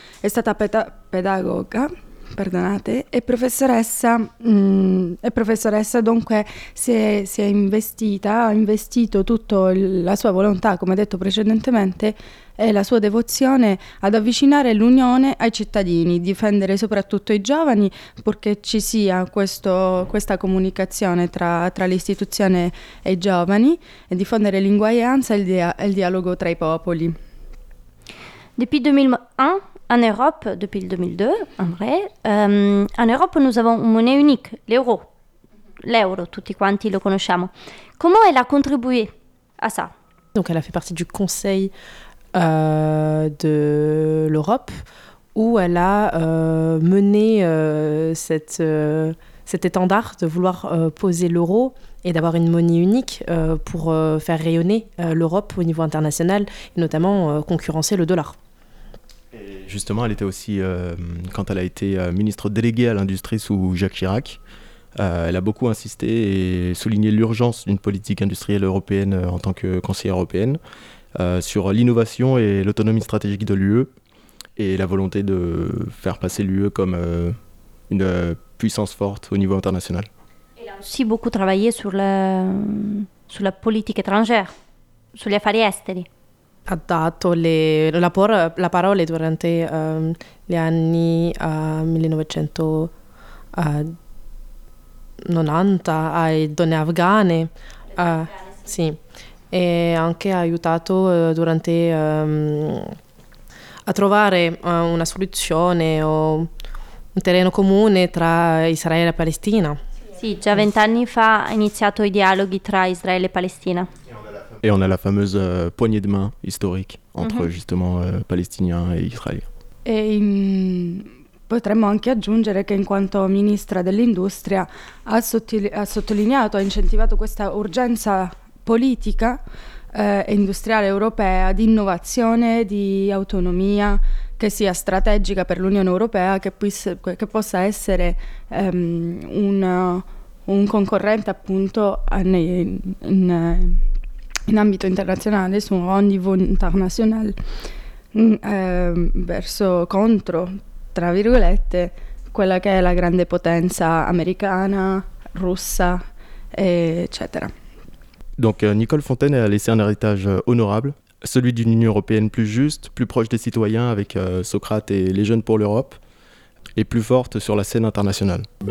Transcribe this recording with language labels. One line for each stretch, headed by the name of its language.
Italian: È stata pedagoga. Perdonate, e professoressa dunque ha investito tutta la sua volontà, come detto precedentemente, e la sua devozione ad avvicinare l'Unione ai cittadini, difendere soprattutto i giovani, purché ci sia questa comunicazione tra l'istituzione e i giovani, e diffondere l'uguaglianza e il dialogo tra i popoli.
French: Depuis 2001, en Europe, depuis 2002, en vrai, en Europe, nous avons une monnaie unique, l'euro.
Italian: l'euro, tutti quanti lo conosciamo.
French: Comment elle a contribué à ça? Donc elle a fait partie du Conseil de l'Europe où elle a mené cet étendard de vouloir poser l'euro et d'avoir une monnaie unique pour faire rayonner l'Europe au niveau international, et notamment concurrencer le dollar. Justement, elle était aussi, quand elle a été ministre déléguée à l'industrie sous Jacques Chirac, elle a beaucoup insisté et souligné l'urgence d'une politique industrielle européenne en tant que conseillère européenne sur l'innovation et l'autonomie stratégique de l'UE et la volonté de faire passer l'UE comme une puissance forte au niveau international. Elle a aussi beaucoup travaillé sur la politique étrangère, sur les affaires esteri.
Italian: Ha dato la parola durante gli anni 1990 alle donne afghane, sì, e anche ha aiutato durante a trovare una soluzione o un terreno comune tra Israele e Palestina. Sì, già 20 anni fa ha iniziato i dialoghi tra Israele e Palestina.
French: Et on a la fameuse poignée de main historique entre justement palestiniens et israéliens.
Italian: Et potremmo anche aggiungere che in quanto ministra dell'industria ha sottolineato, ha incentivato questa urgenza politica e industriale europea di innovazione, di autonomia che sia strategica per l'Unione Europea, che possa essere un concorrente appunto in ambito internazionale, su un livello internazionale, contro, tra virgolette, quella che è la grande potenza americana, russa, eccetera.
French: Donc Nicole Fontaine a laissé un héritage honorable, celui d'une Union européenne plus juste, plus proche des citoyens avec Socrate et les Jeunes pour l'Europe, et plus forte sur la scène internationale.